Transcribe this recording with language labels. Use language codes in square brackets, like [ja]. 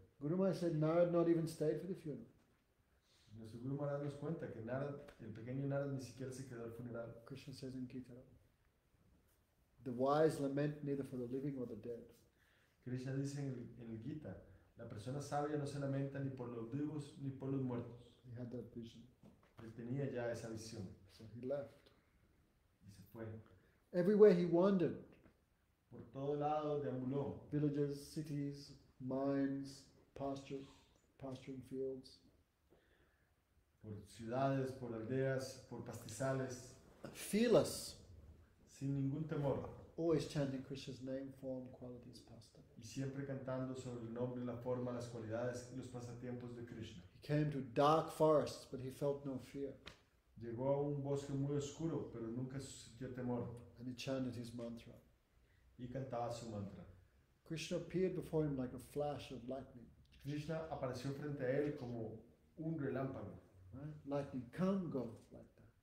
[en] Guru Maharaj said Narad not even stayed for the funeral. [es] Nuestro Guru Maharaj nos cuenta que Narad, el pequeño Narad, ni siquiera se quedó al funeral. [en] Krishna says in Gita, the wise lament neither for the living or the dead. [es] Krishna dice en el Gita, la persona sabia no se lamenta ni por los vivos ni por los muertos. [en] He had that vision. [es] Él tenía ya esa visión. [en] So he left. [es] Y se fue. [en] Everywhere he wandered. [es] Por todo lado deambuló. [en] Villages, cities, mines, pasturing fields. [es] Por ciudades, por aldeas, por pastizales. [en] Fearless. [es] Sin ningún temor. [en] Always chanting Krishna's name, form, qualities, pastimes. [es] Y siempre cantando sobre el nombre, la forma, las cualidades, los pasatiempos de Krishna. [en] He came to dark forests, but he felt no fear. [es] Llegó a un bosque muy oscuro, pero nunca sintió temor. [en] And he chanted his mantra. [es] Y cantaba su mantra. [en] Krishna appeared before him like a flash of lightning. [es] Krishna apareció frente a él como un relámpago. [en] Right? Lightning can go like that.